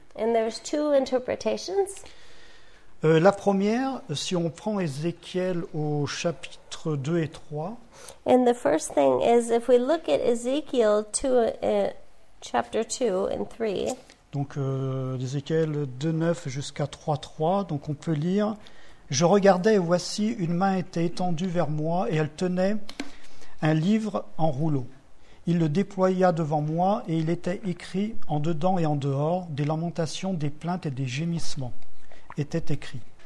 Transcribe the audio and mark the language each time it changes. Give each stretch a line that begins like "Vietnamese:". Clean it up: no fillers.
English: And there's two interpretations.
French: La première, si on prend Ézéchiel au chapitre 2 et 3.
English: And the first thing is if we look at Ezekiel chapter 2 and 3.
French: Donc Ézéchiel 2:9 jusqu'à 3:3, donc on peut lire. Je regardais et voici une main était étendue vers moi et elle tenait un livre en rouleau. Il le déploya devant moi et il était écrit en dedans et en dehors des lamentations, des plaintes et des gémissements étaient écrits.